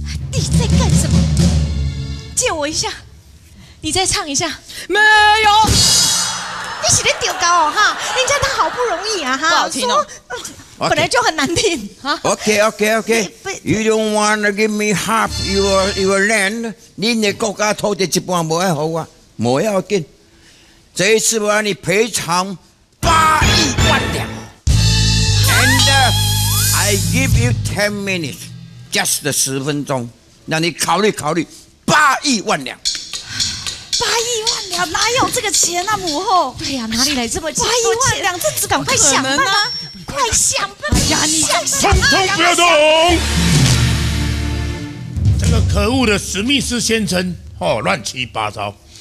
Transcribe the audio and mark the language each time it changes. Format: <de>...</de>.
<zh>你在干什么？借我一下，你再唱一下。没有。你是在丢高哦哈？人家他好不容易啊哈，不好听哦。</zh> <en>Okay.</en> <zh>本来就很难听啊。</zh> <en>Okay. You don't wanna give me half your land.</en> <zh>你的国家土地一半不爱好啊，不要紧。这一次我让你赔偿8亿万两。</zh> <en>And I give you 10 minutes, just</en> <zh>10分钟，让你考虑考虑8亿万两。 8亿万两哪有这个钱啊，母后？对呀、啊，哪里来这么钱？ 8亿万两，这只赶快想办法。快想办法！哎呀，你通通不要动！这个可恶的史密斯先生，哦，乱七八糟！</zh>